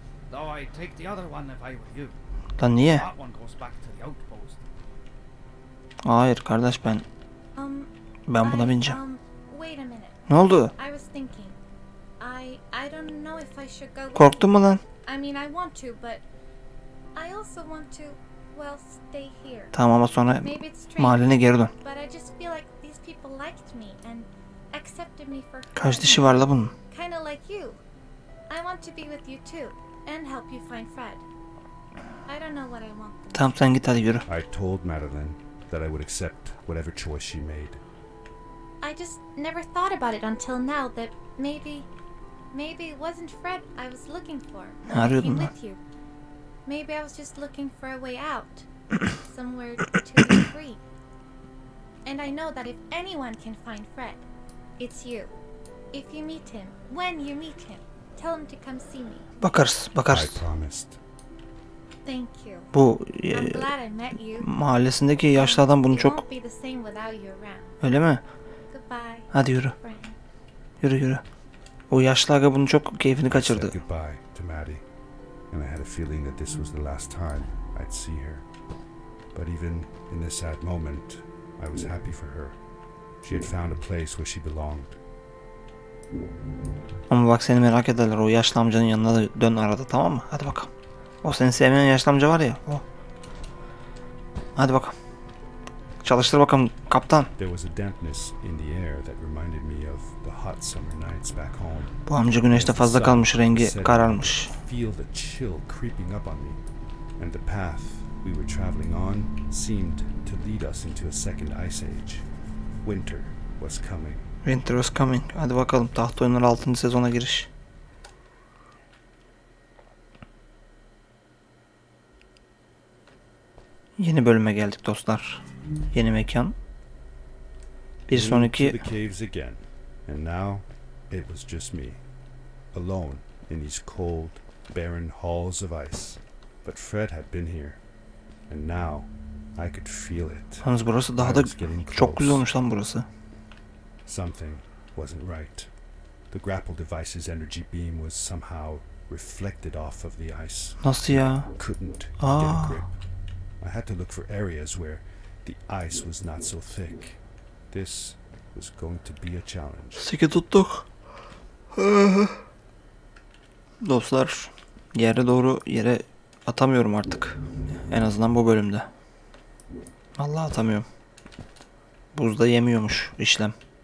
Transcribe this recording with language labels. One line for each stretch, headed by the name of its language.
English: Though I'd take the other one if I were you.
Turkish: Lan niye?
English: That one goes back to the outpost.
Turkish: Hayır kardeş, ben ben buna bineceğim.
English: Wait a minute.
Turkish: Ne oldu?
English: I was thinking. I don't know if I should go.
Turkish: Korktun mu lan?
English: I mean, I want to, but I also want to, well, stay here.
Turkish: Tamam ama sonra mahalline geri dön.
English: But I just feel like these people liked me and accepted me for.
Turkish: Kaç dişi var la bunun?
English: Kind of like you. I want to be with you too and help you find Fred. I don't know what I want.
Turkish: Tamam sen git hadi yürü.
English: I told Madeline that I would accept whatever choice she made. I just never thought about it until now that maybe it wasn't Fred I was looking for.
Turkish: Ne arıyordun lan?
English: You. Maybe I was just looking for a way out. Somewhere to be free. And I know that if anyone can find Fred, it's you. If you meet him, when you meet him, tell him to come see me.
Turkish: Bakarız, bakarız.
English: I promised. Thank you.
Turkish: Bu
English: I'm glad I met you.
Turkish: Mahallesindeki yaşlı adam bunu çok...
English: It won't be the same without you around.
Turkish: Öyle mi?
English: Goodbye.
Turkish: Hadi yürü. Yürü yürü. O yaşlı aga bunu çok keyfini kaçırdı.
English: Goodbye to Maddie. And I had a feeling that this was the last time I'd see her. But even in this sad moment, I was happy for her. She had found a place where she belonged.
Turkish: Ama bak seni merak ederler. O yaşlı amcanın yanına da dön arada, tamam mı? Hadi bakalım. O seni sevmeyen yaşlı amca var ya. O. Hadi bakalım. Çalıştır bakalım kaptan.
English: There was a dampness in the air that reminded me of the hot summer nights back home.
Turkish: Bu amca güneşte fazla kalmış, rengi kararmış.
English: Feel the chill creeping up on me, and the path we were traveling on seemed to lead us into a second ice age. Winter was coming. Winter was coming.
Turkish: Hadi bakalım, taht oyunları 6. sezona giriş. Yeni bölüme geldik dostlar. Yeni mekan. Bir sonraki
English: the caves again. And now it was just me alone in these cold barren halls of ice. But Fred had been here. And now I could feel it.
Turkish: Yalnız burası daha da çok güzel olmuş lan burası.
English: Something wasn't right. The grapple device's energy beam was somehow reflected off of the ice.
Turkish: Nasıl ya?
English: Couldn't get a grip. I had to look for areas where the ice was not so thick. This was going to be a challenge.
Turkish: Sıkı tuttuk. Dostlar, yere doğru yere atamıyorum artık. En azından bu bölümde. Vallahi atamıyorum. Buzda yemiyormuş işlem.